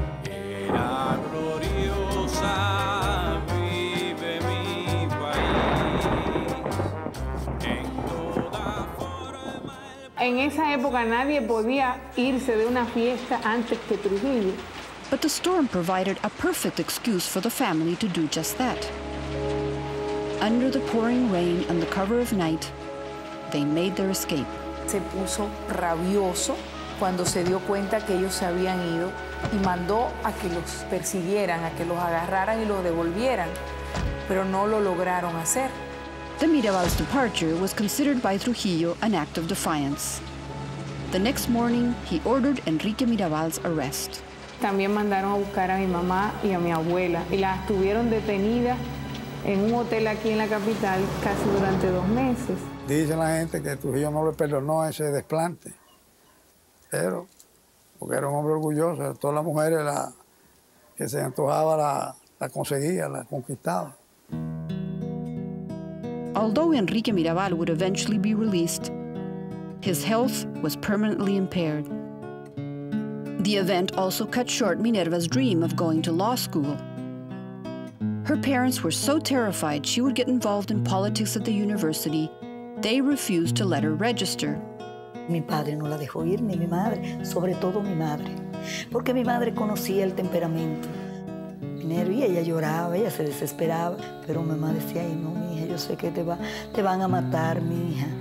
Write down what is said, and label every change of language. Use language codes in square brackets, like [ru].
[es] Era gloriosa, vive mi país. En toda forma. En esa época nadie podía irse de una fiesta antes que Trujillo. [en] But the storm provided a perfect excuse for the family to do just that. Under the pouring rain and the cover of night, they made their escape. [es] Se puso rabioso cuando se dio cuenta que ellos se habían ido y mandó a que los persiguieran, a que los agarraran y los devolvieran, pero no lo lograron hacer. [en] The Mirabal's departure was considered by Trujillo an act of defiance. The next morning, he ordered Enrique Mirabal's arrest. [es] También mandaron a buscar a mi mamá y a mi abuela y las tuvieron detenidas en un hotel aquí en la capital casi durante 2 meses. Dice la gente que Trujillo no le perdonó ese desplante, pero porque era un hombre orgulloso, todas las mujeres que se antojaba la conseguía, la conquistaba. [en] Although Enrique Mirabal would eventually be released, his health was permanently impaired. The event also cut short Minerva's dream of going to law school. Her parents were so terrified she would get involved in politics at the university, they refused to let her register. [es] Mi padre no la dejó ir, ni mi madre, sobre todo mi madre, porque mi madre conocía el temperamento. Minerva, ella lloraba, ella se desesperaba, pero mi mamá decía, ay, no, mija, yo sé que te van a matar, mija.